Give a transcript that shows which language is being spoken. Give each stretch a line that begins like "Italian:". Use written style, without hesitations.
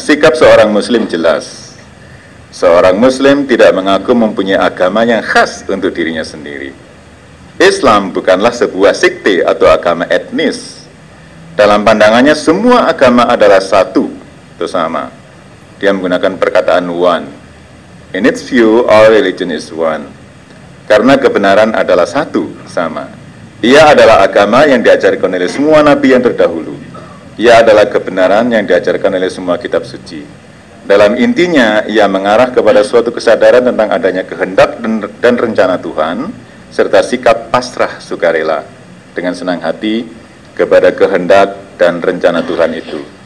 Malay: Sikap seorang Muslim jelas. Seorang Muslim tidak mengaku mempunyai agama yang khas untuk dirinya sendiri. Islam bukanlah sebuah sekte atau agama etnis. Dalam pandangannya, semua agama adalah satu, itu sama. Dia menggunakan perkataan one.
English: In its view, all religion is one.
Malay: Karena kebenaran adalah satu, sama. Ia adalah agama yang diajarkan oleh semua nabi yang terdahulu. Ia adalah kebenaran yang diajarkan oleh semua kitab suci. Dalam intinya, ia mengarah kepada suatu kesadaran tentang adanya kehendak dan rencana Tuhan, serta sikap pasrah sukarela dengan senang hati kepada kehendak dan rencana Tuhan itu.